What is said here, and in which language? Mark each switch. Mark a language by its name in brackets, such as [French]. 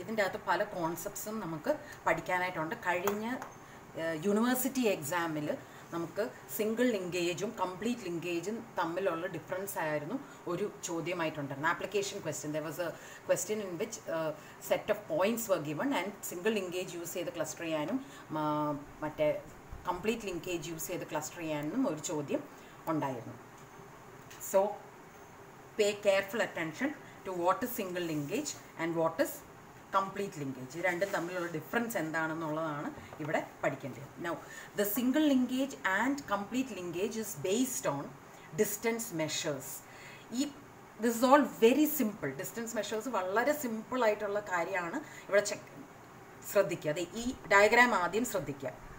[Malayalam] ഇതിൻ്റെ അകത്ത് പല കോൺസെപ്റ്റ്സും നമുക്ക് പഠിക്കാനായിട്ടുണ്ട്. കഴിഞ്ഞ യൂണിവേഴ്സിറ്റി എക്സാമിൽ നമുക്ക് സിംഗിൾ ലിങ്കേജും കംപ്ലീറ്റ് ലിങ്കേജും തമ്മിലുള്ള ഡിഫറൻസ് ആയിരുന്നു ഒരു ചോദ്യമായിട്ടുണ്ടായിരുന്നത്. Application question, [English] there was a question in which set of points were given [Malayalam] and single linkage use ചെയ്ത് ക്ലസ്റ്റർ ചെയ്യാനും മറ്റേ കംപ്ലീറ്റ് ലിങ്കേജ് യൂസ് ചെയ്ത് ക്ലസ്റ്റർ ചെയ്യാനും ഒരു ചോദ്യം ഉണ്ടായിരുന്നു. [English] So pay careful attention to what is single linkage and what is complete linkage. [Malayalam] രണ്ടും തമ്മിലുള്ള ഡിഫറൻസ് എന്താണെന്നുള്ളതാണ് ഇവിടെ പഠിക്കേണ്ടത്. [English] Now the single linkage and complete linkage is based on distance measures. [Malayalam] ഈ [English] This is all very simple. [Malayalam] Distance measures വളരെ simple ആയിട്ടുള്ള കാര്യമാണ്. ഇവിടെ ശ്രദ്ധിക്കുക, അതെ ഈ ഡയഗ്രാം ആദ്യം ശ്രദ്ധിക്കുക.